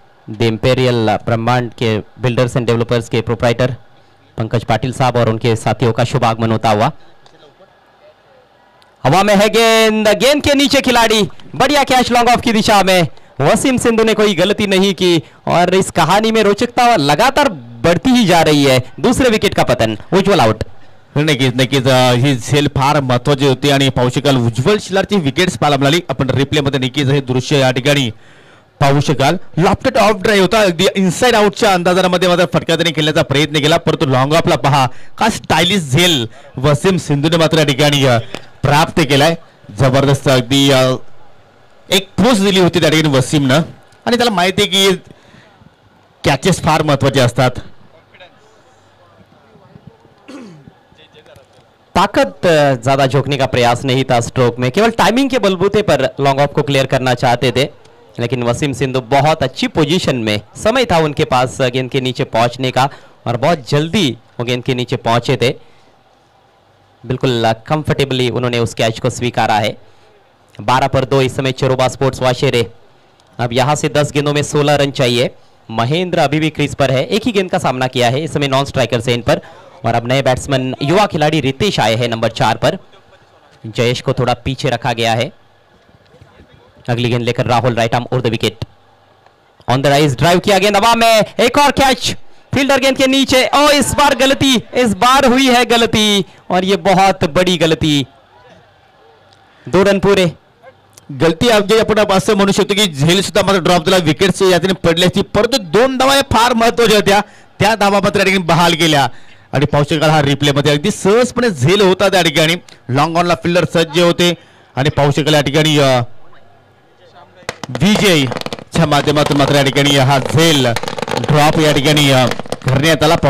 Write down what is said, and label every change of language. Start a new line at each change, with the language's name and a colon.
Hindi: The imperial ब्रह्मांड के builders and developers के प्रोप्राइटर पंकज पाटिल साहब और उनके साथियों का शुभ आगमन होता हुआ। हवा में है गेंद, गेंद के नीचे खिलाड़ी, बढ़िया कैच लॉन्ग ऑफ की दिशा में। वसीम सिंधु ने कोई गलती नहीं की और इस कहानी में रोचकता लगातार बढ़ती ही जा रही है। दूसरे विकेट का पतन, उज्ज्वल आउट।
Marathi: नक्कीच ही झेल फार महत्वाची होती आणि पाहू शकाल उज्ज्वल शिलारची विकेट्स पालमलाली। आपण रिप्ले मध्ये नक्कीच हे दृश्य या ठिकाणी पाहू शकाल। लॉफ्टेड ऑफ ड्राइव्ह होता, अगदी इनसाइड आउटच्या अंदाजामध्ये मात्र फटका त्याने खेळण्याचा प्रयत्न केला, परंतु लॉंग ऑफला पहा का स्टायलिश झेल वसीम सिंधूने मात्र या ठिकाणी प्राप्त केलाय। जबरदस्त अगदी एक पोस दिली होती त्या ठिकाणी वसीमनं आणि त्याला माहिती आहे की कॅचेस फार महत्वाचे असतात।
Hindi: ताकत ज्यादा झोंकने का प्रयास नहीं था स्ट्रोक में, केवल टाइमिंग के बलबूते पर लॉन्ग ऑफ को क्लियर करना चाहते थे, लेकिन वसीम सिंधु बहुत अच्छी पोजीशन में, समय था उनके पास गेंद के नीचे पहुंचने का और बहुत जल्दी वो गेंद के नीचे पहुंचे थे। बिल्कुल कंफर्टेबली उन्होंने उस कैच को स्वीकारा है। 12/2 इस समय चरोबा स्पोर्ट्स वाशेरे। अब यहां से 10 गेंदों में 16 रन चाहिए। महेंद्र अभी भी क्रीज पर है, एक ही गेंद का सामना किया है इस समय नॉन स्ट्राइकर से इन पर। और अब नए बैट्समैन युवा खिलाड़ी रितेश आए हैं नंबर 4 पर। जयेश को थोड़ा पीछे रखा गया है। अगली गेंद लेकर Rahul right arm over the wicket, on the rise drive किया, गेंद हवा में, एक और कैच, फील्डर गेंद के नीचे। ओ इस बार गलती, इस बार हुई है गलती और ये बहुत बड़ी गलती। 2 रन पूरे,
Marathi: गलती मनुष्य होते की झेल सुद्धा मात्र ड्रॉप झाला, विकेट पडले असती, परंतु 2 धावा फार महत्वाच्या होत्या, त्या धावा मात्र बहाल केल्या आणि पावशेकर हा रिप्ले मध्ये अगदी सहजपणे झेल होता त्या ठिकाणी। लॉन्ग ऑनला फिल्डर सज्ज होते आणि पावशेकर या ठिकाणी विजय च्या माध्यमातून मात्र या ठिकाणी हा झेल ड्रॉप या ठिकाणी करण्यात आला।